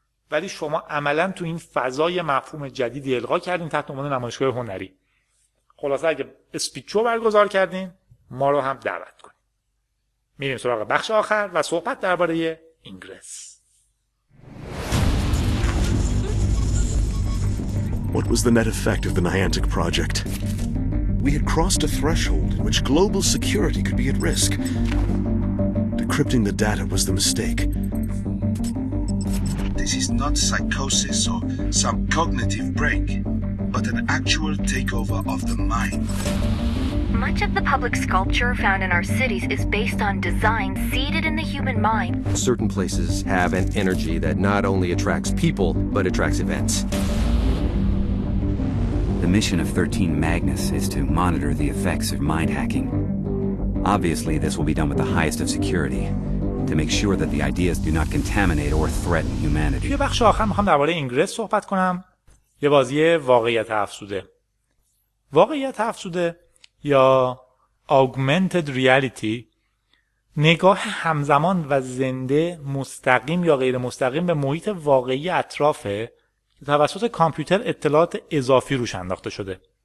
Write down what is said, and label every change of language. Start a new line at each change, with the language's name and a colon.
Persian: ولی شما عملا تو این فضای مفهوم جدیدی القا کردین تحت عنوان نمایشگاه هنری. خلاصه اگه اسپیچو برگزار کردین ما رو هم دعوت کنین. میریم سراغ بخش آخر و صحبت درباره اینگرس.
English: What was the net effect of the Niantic project? We had crossed a threshold in which global security could be at risk. Decrypting the data was the mistake. This is not psychosis or some cognitive break, but an actual takeover of the mind. Much of the public sculpture found in our cities is based on design seeded in the human mind. Certain places have an energy that not only attracts people, but attracts events. The mission of 13 Magnus is to monitor the effects of mind hacking. Obviously, this will be done with the highest of security to make sure that the ideas do not contaminate or threaten humanity.
Persian: توی بخش آخر میخوام درباره اینگرس صحبت کنم. یه بازی واقعیت افزوده. واقعیت افزوده یا augmented reality نگاه همزمان و زنده مستقیم یا غیر مستقیم به محیط واقعی اطرافه که توسط کامپیوتر اطلاعات اضافی روش انداخته شده.